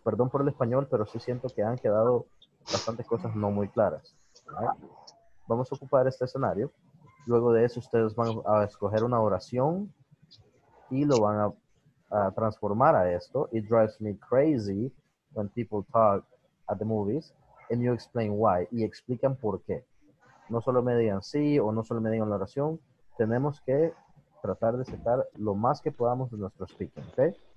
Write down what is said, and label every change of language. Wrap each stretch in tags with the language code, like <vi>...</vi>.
<es>Perdón por el español, pero sí siento que han quedado bastantes cosas no muy claras.</es> <en>Right?</en> <es>Vamos a ocupar este escenario. Luego de eso, ustedes van a escoger una oración y lo van a transformar a esto.</es> <en>It drives me crazy when people talk at the movies, and you explain why.</en> <es>Y explican por qué. No solo me digan sí o no solo me digan la oración. Tenemos que tratar de sacar lo más que podamos de nuestro speaking, ¿ok?</es>